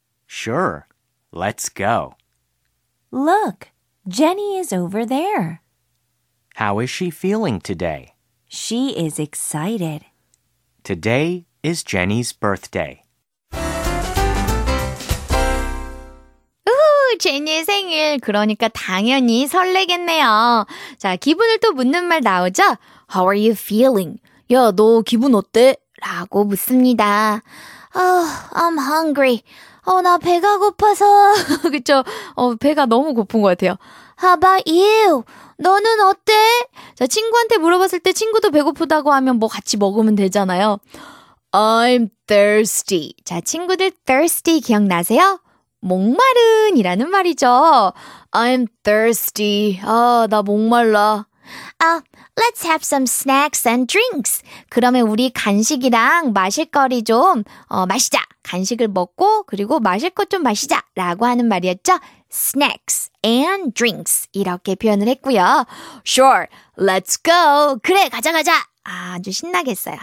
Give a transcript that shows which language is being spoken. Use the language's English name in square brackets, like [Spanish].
[English] Sure. Let's go. Look, Jenny is over there. How is she feeling today? She is excited. Today is Jenny's birthday. [Korean] Jenny 생일, 그러니까 당연히 설레겠네요. 자, 기분을 또 묻는 말 나오죠? [English] How are you feeling? [Korean] 야, 너 기분 어때? 라고 묻습니다. [English] Oh, I'm hungry. [Korean] 나 배가 고파서. 그쵸? 배가 너무 고픈 것 같아요. [English] How about you? [Korean] 너는 어때? 자, 친구한테 물어봤을 때 친구도 배고프다고 하면 뭐 같이 먹으면 되잖아요. [English] I'm thirsty. [Korean] 자, 친구들 thirsty 기억나세요? 목마른이라는 말이죠. [English] I'm thirsty. [Korean] 아, 나 목말라. [English] Let's have some snacks and drinks. [Korean] 그러면 우리 간식이랑 마실거리 좀 마시자. 간식을 먹고 그리고 마실 것 좀 마시자 라고 하는 말이었죠. [English] Snacks and drinks [Korean] 이렇게 표현을 했고요. [English] Sure, let's go. [Korean] 그래, 가자 가자. 아주 신나겠어요.